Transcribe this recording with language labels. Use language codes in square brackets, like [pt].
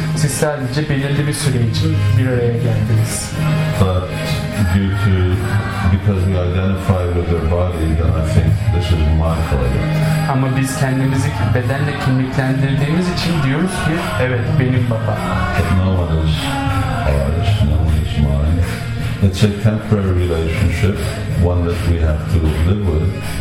[tr] Siz sadece belirli bir süre için bir araya geldiniz. [en] But due to, because we identify with their body, then I think this is my father. [tr] Ama biz kendimizi bedenle kimliklendirdiğimiz için diyoruz ki, evet, benim baba. [en] But no one is ours, no one is mine. It's a temporary relationship, one that we have to live with.